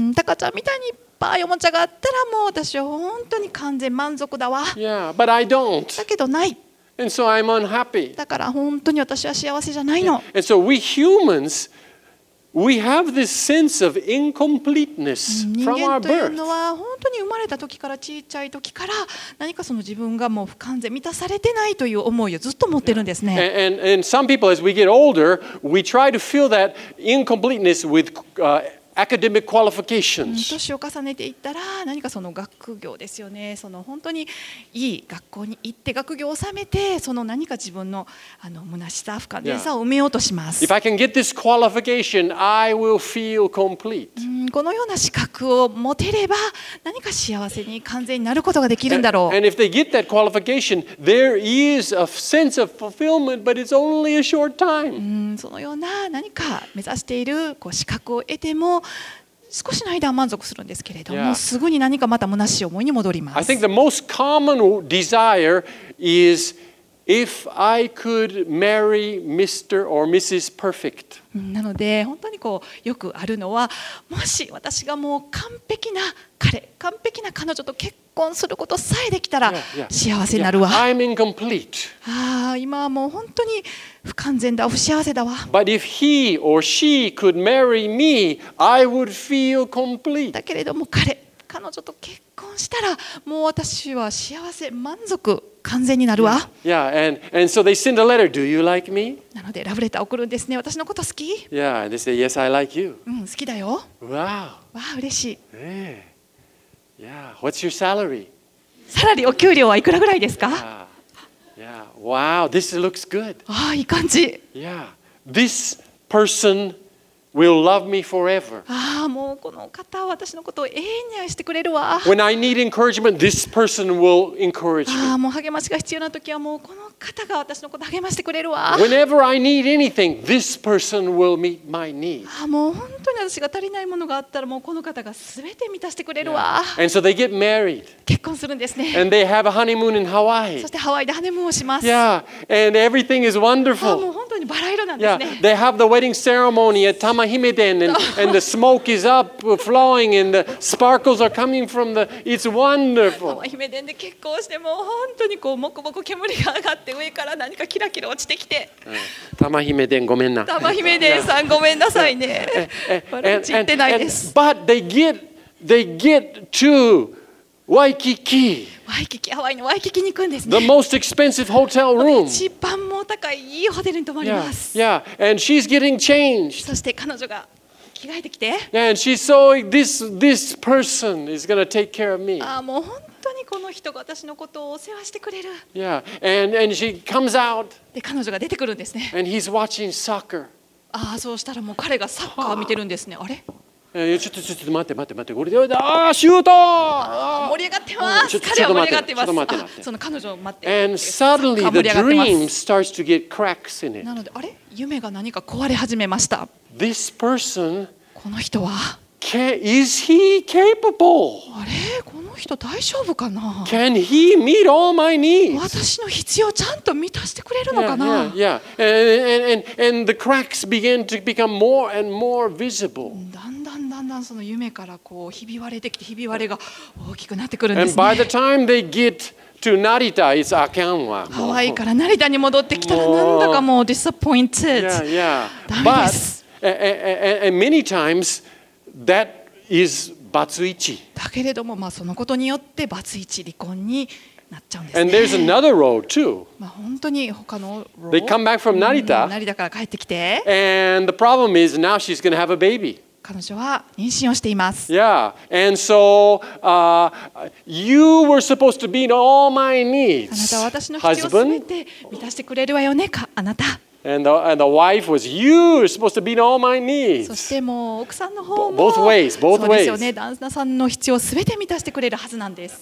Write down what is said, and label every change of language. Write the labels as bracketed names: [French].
[Japanese] Takachan みたいにいっぱいおもちゃがあったらもう私は本当に完全満足だわ。 [English] Yeah, but I don't. [Japanese] だけどない。 [English] And so I'm unhappy. [Japanese] だから本当に私は幸せじゃないの。 [English] And so we humans We have this sense of incompleteness from our birth. [Japanese] 人間というのは本当に生まれた時から小さい時から何かその自分がもう不完全満たされてないという思いをずっと持ってるんですね。 [English] And some people, as we get older, we try to fill that incompleteness with academic qualifications. [Japanese] 年を重ねていったら何かその学業ですよね。その本当にいい学校に行って学業を収めてその何か自分のあの虚しさ不完全さを埋めようとします。 [English] If I can get this qualification, I will feel complete. [Japanese] このような資格を持てれば何か幸せに完全になることができるんだろう。 [English] And if they get that qualification, there is a sense of fulfillment, but it's only a short time. [Japanese] そのような何か目指しているこう資格を得ても少しの間は満足するんですけれども、yeah. すぐに何かまた虚しい思いに戻ります。 [English] I think the most common desire is if I could marry Mr. or Mrs. Perfect. [Japanese] なので本当にこうよくあるのはもし私がもう完璧な彼、完璧な彼女と結婚することさえできたら幸せになるわ。 [English] Yeah, yeah. Yeah. I'm incomplete. [Japanese] ああ、今はもう本当に不完全だ、不幸せだわ。 [English] But if he or she could marry me, I would feel complete. [Japanese] だけれども彼、彼女と結婚したらもう私は幸せ、満足、完全になるわ。 [English] Yeah, and so they send a letter. Do you like me? [Japanese] なのでラブレター送るんですね。私のこと好き？ [English] Yeah, and they say yes, I like you. [Japanese] うん、好きだよ。 [English] Wow. [Japanese] わあ、嬉しい。 [English] Yeah. Yeah, what's your salary? [Japanese] サラリー、お給料はいくらぐらいですか? [English] Yeah. Yeah. Wow, this looks good. [Japanese] ああ、いい感じ。 [English] Yeah. This person will love me forever. [Japanese] ああ、もうこの方は私のことを永遠に愛してくれるわ。 [English] When I need encouragement, this person will encourage me. [Japanese] ああ、もう励ましが必要な時はもうこの方が私のことを励ましてくれるわ。 [English] Whenever I need anything, this person will meet my need. [Japanese] ああ、もう本当に私が足りないものがあったらもうこの方が全て満たしてくれるわ。 [English] Yeah. And so they get married. [Japanese] 結婚するんですね。 [English] And they have a honeymoon in Hawaii. [Japanese] そしてハワイでハネムーンをします。 [English] Yeah. And everything is wonderful. [Japanese] ああ、もう本当にバラ色なんですね。 [English] Yeah. They have the wedding ceremony at Tamahimeden and the smoke is up flowing and the sparkles are coming from the... It's wonderful. [Japanese] Tamahimeden で結婚してもう本当にこうもこもこ煙が上がって上から何かキラキラ落ちてきて。タマヒメデンごめんな。タマヒメデンさんごめんなさいね。悪口言ってないです。 [English] But they get to Waikiki. [Japanese] Waikiki, Hawaii のワイキキに行くんですね。 [English] The most expensive hotel room. [Japanese] 一番もう高いいいホテルに泊まります。 [English] Yeah, and she's getting changed. [Japanese] そして彼女が着替えてきて。 [English] Yeah, and she's so this person is gonna take care of me. [Japanese] あもう本当にこの人が私のことをお世話してくれる。 [English] Yeah. And she comes out. [Japanese] で彼女が出てくるんですね。 [English] And he's watching soccer. [Japanese] ああそうしたらもう彼がサッカー見てるんですね。あれ？ちょっと待って。これでああシュート。盛り上がってます。彼は盛り上がってます。ちょっと待って。その彼女を待って。 [English] And suddenly the dream starts to get cracks in it. [Japanese] なのであれ夢が何か壊れ始めました。 [English] This person. [Japanese] この人は。 [English] Is he capable? [Japanese] あれこの人大丈夫かな? [English] Can he meet all my needs? [Japanese] 私の必要をちゃんと満たしてくれるのかな? [English] Yeah, yeah, yeah. And the cracks begin to become more and more visible. [Japanese] だんだんその夢からこうひび割れてきてひび割れが大きくなってくるんですね。 [English] And by the time they get to Narita, it's Akanwa. [Japanese] ハワイから成田に戻ってきたらなんだかもう disappointed. [English] Yeah, yeah. [Japanese] ダメです。 [English] But and many times,That is バツイチ。 [Japanese] だけれども、まあ、そのことによってバツイチ離婚になっちゃうんですね。 [English] And there's another road too. [Japanese] まあ本当に他のロ [English] ー。They come back from Narita. [Japanese] 成田から帰ってきて。 [English] And the problem is now she's going to have a baby. [Japanese] 彼女は妊娠をしています。 [English] Yeah, and so you were supposed to be in all my needs. [Japanese] あなたは私の必要を全て満たしてくれるわよねか、あなた。 [English] And the wife was you were supposed to be in all my needs. [Japanese] そしてもう奥さんの方も [English] both ways, both ways. [Japanese] そうですよね。旦那さんの必要をすべて満たしてくれるはずなんです。